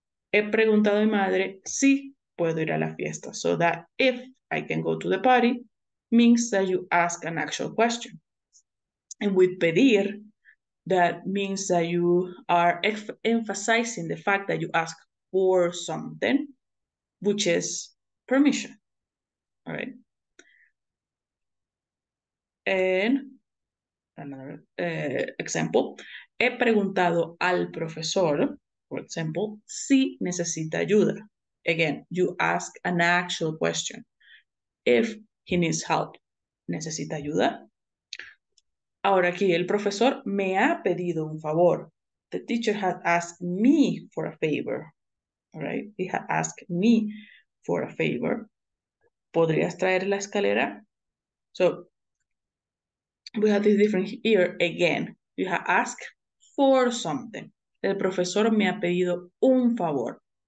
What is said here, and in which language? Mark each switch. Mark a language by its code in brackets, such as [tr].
[es] He preguntado a mi madre si puedo ir a la fiesta. [en] So that if I can go to the party means that you ask an actual question. And with pedir, that means that you are emphasizing the fact that you ask for something, which is permission. All right. And another example. [es] He preguntado al profesor, [en] for example, [es] si necesita ayuda. [en] Again, you ask an actual question. If he needs help, [es] necesita ayuda. Ahora aquí, el profesor me ha pedido un favor. [en] The teacher has asked me for a favor. All right? He has asked me for a favor. [es] ¿Podrías traer la escalera? [en] So, we have this different here again. You have asked for something. [es] El profesor me ha pedido un favor.